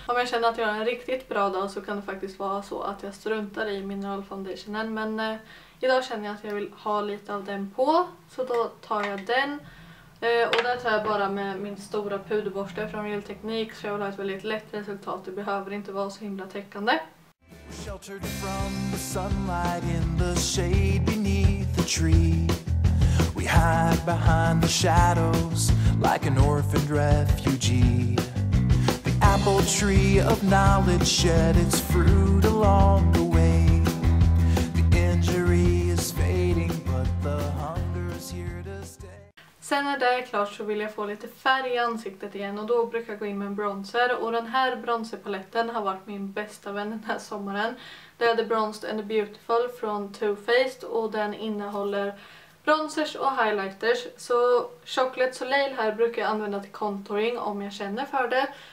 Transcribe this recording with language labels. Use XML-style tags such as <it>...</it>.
<sv>Om jag känner att jag har en riktigt bra dag så kan det faktiskt vara så att jag struntar i mineralfoundationen, men idag känner jag att jag vill ha lite av den på, så då tar jag den. Och där tar jag bara med min stora puderborste från Real Techniques, så jag vill ha ett väldigt lätt resultat, det behöver inte vara så himla täckande.</sv> <en>Sheltered from the sunlight in the shade beneath the tree. We hide behind the shadows like an orphaned refugee. The apple tree of knowledge shed its fruit along the way. The injury is fading but the hunger is here to stay.</en> <sv>Sen när det är klart så vill jag få lite färg i ansiktet igen och då brukar jag gå in med en bronzer. Och den här bronzerpaletten har varit min bästa vän den här sommaren. Det är The Bronzed and the Beautiful från Too Faced och den innehåller bronzers och highlighters. Så Chocolate Soleil här brukar jag använda till contouring om jag känner för det.</sv>